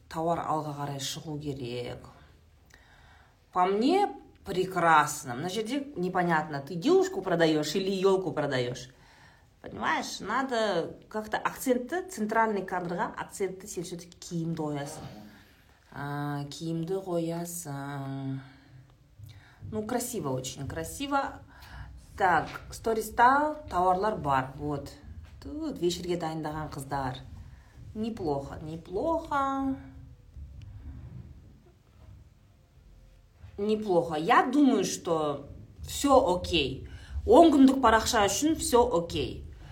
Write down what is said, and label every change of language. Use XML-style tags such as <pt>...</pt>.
<kk>Товар алға қарай шығу керек.</kk> <ru>По мне прекрасно.</ru> <kk>Мына жерде</kk> <ru>непонятно, ты девушку продаешь или елку продаешь. Понимаешь, надо как-то</ru> <kk>акцентті, центральный кадрға акцентті сен все-таки киімді қоясың. Киімді қоясың.</kk> <ru>Ну, красиво очень, красиво.</ru> <kk>Так, сторис-та товарлар бар. Вот. Тут вечерге дайындаған қыздар.</kk> <ru>Неплохо, неплохо. Неплохо. Я думаю, что все окей.</ru> <kk>10 күндік парақша үшін</kk> <ru>все окей.</ru>